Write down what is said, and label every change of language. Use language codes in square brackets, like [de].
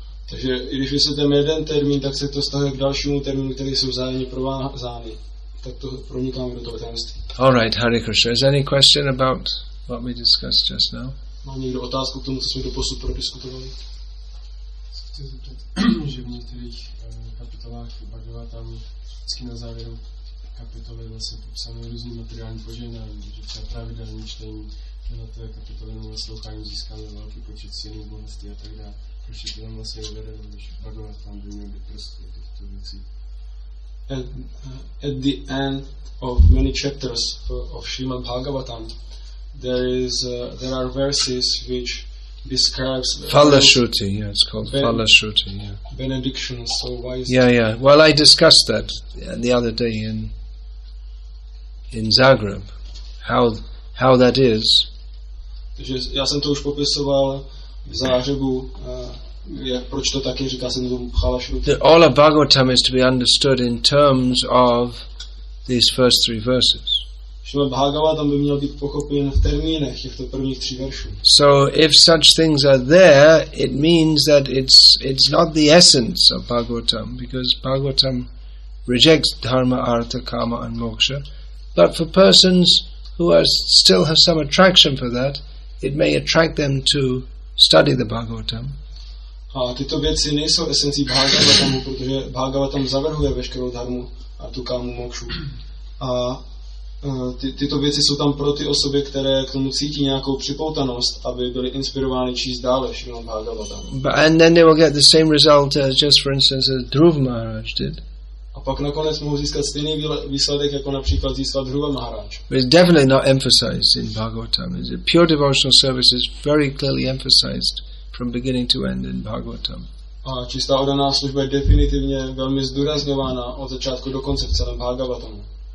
[cs] Takže i když vysvětlíme jeden termín, tak se to stahuje k dalšímu termínu, který jsou vzájemně provázány. Tak to pronikáme do toho tajemství. [en] All right, Hare Krishna. Is any question about what we discussed just now? [cs] Má někdo otázku k tomu, co jsme doposud prodiskutovali? Chci zeptat, že v některých kapitolách Bhagavatam vždycky na závěru kapitoly vlastně popsané různý materiální požehnání, že třeba pravidelné čtení na té kapitoly nebo naslouchání získáme velký počet silných bohatství a tak dále. Proč je to tam vlastně uvedeno, když Bhagavatam by měl být prostě těchto věcí? [en] At the end of many chapters of Srimad Bhagavatam, there are verses which describes Falashruti. Yeah, it's called Falashruti. Yeah. Benediction. So why is that? Yeah. Well, I discussed that the other day in Zagreb, how that is. [cs] Takže já jsem to už popisoval v Zagrebu. Proč to taky říká se tomu Falashruti? [en] All of Bhagavatam is to be understood in terms of these first three verses. [cs] Bhagavatam by měl být pochopen v termínech těchto prvních tří veršů. [en] So if such things are there, it means that it's not the essence of Bhagavatam, because Bhagavatam rejects dharma, artha, kama and moksha. But for persons who still have some attraction for that, it may attract them to study the Bhagavatam. [cs] A tyto věci nejsou esencí Bhagavatamu, protože Bhagavatam zavrhuje veškerou dharmu, artu, kamu, mokšu. A tyto věci jsou tam pro ty osoby, které k tomu cítí nějakou připoutanost, aby byly inspirovány číst dále Srimad Bhagavatam. [en] And then they will get the same result as just for instance as Dhruva Maharaj did. [cs] A pak nakonec mohou získat stejný výsledek, jako například získal Dhruva Maharaj. [en] It's definitely not emphasized in Bhagavatam. Pure devotional service is very clearly emphasized from beginning to end in Bhagavatam. [cs] A čistá oddaná služba je definitivně velmi zdůrazňována od začátku do konce v celém Bhagavatamu.